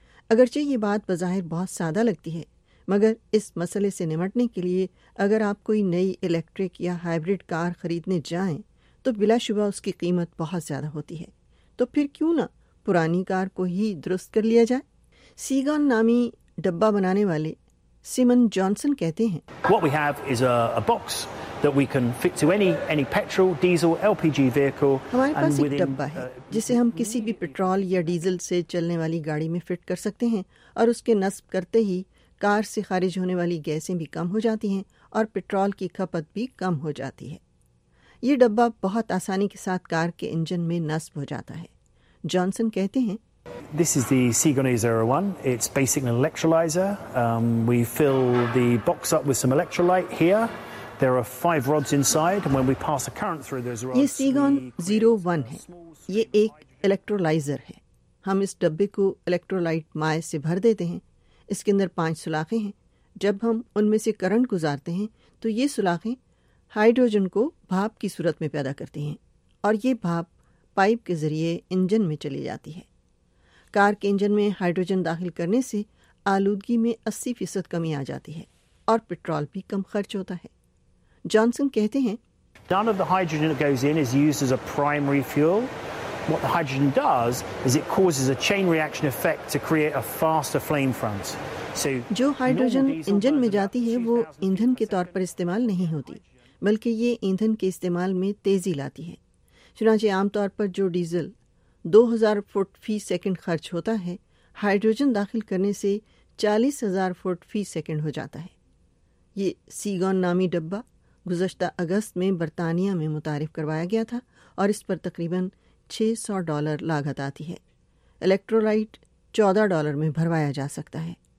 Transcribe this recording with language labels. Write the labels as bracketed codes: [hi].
[ur] اگرچہ یہ بات بظاہر بہت سادہ لگتی ہے، مگر اس مسئلے سے نمٹنے کے لیے اگر آپ کوئی نئی الیکٹرک یا ہائبرڈ کار خریدنے جائیں تو بلا شبہ اس کی قیمت بہت زیادہ ہوتی ہے، تو پھر کیوں نہ پرانی کار کو ہی درست کر لیا جائے۔ سیگان نامی ڈبہ بنانے والے سیمن جانسن کہتے ہیں، [en] What we have is a box that we can fit to any petrol, diesel, LPG vehicle. [ur] ہمارے پاس ایک ڈبہ ہے جسے ہم کسی بھی پیٹرول یا ڈیزل سے چلنے والی گاڑی میں فٹ کر سکتے ہیں، اور اس کے نصب کرتے ہی کار سے خارج ہونے والی گیسیں بھی کم ہو جاتی ہیں اور پیٹرول کی کھپت بھی کم ہو جاتی ہے۔ یہ ڈبہ بہت آسانی کے ساتھ کار کے انجن میں نصب ہو جاتا ہے۔ جانسن کہتے ہیں، [en] This is the Seagonizer 01. It's basically an electrolyzer. We fill the box up with some electrolyte here. There are 5 rods inside, and when we pass a current through those rods... [ur] یہ Saigon 01 ہے، یہ ایک الیکٹرولائزر ہے۔ ہم اس ڈبے کو electrolyte مائع سے بھر دیتے ہیں۔ اس کے اندر 5 سلاخیں ہیں۔ جب ہم ان میں سے کرنٹ گزارتے ہیں تو یہ سلاخیں ہائیڈروجن کو بھاپ کی صورت میں پیدا کرتی ہیں، اور یہ بھاپ پائپ کے ذریعے انجن میں چلی جاتی ہے۔ کار کے انجن میں ہائیڈروجن داخل کرنے سے آلودگی میں 80% کمی آ جاتی ہے، اور پیٹرول بھی کم خرچ ہوتا ہے۔ جانسن کہتے ہیں، [en] None of the hydrogen that goes in is used as a primary fuel. What the hydrogen does is it causes a chain reaction effect to create a faster flame front. So [ur] جو hydrogen engine میں جاتی ہے وہ ایندھن کے طور پر استعمال نہیں ہوتی، بلکہ یہ ایندھن کے استعمال میں تیزی لاتی ہے۔ چنانچہ عام طور پر جو ڈیزل 2000 فٹ فی سیکنڈ خرچ ہوتا ہے، ہائیڈروجن داخل کرنے سے 40,000 فٹ فی سیکنڈ ہو جاتا ہے۔ یہ سیگون نامی ڈبہ گزشتہ اگست میں برطانیہ میں متعارف کروایا گیا تھا، اور اس پر تقریباً $600 لاگت آتی ہے۔ الیکٹرولائٹ $14 میں بھروایا جا سکتا ہے۔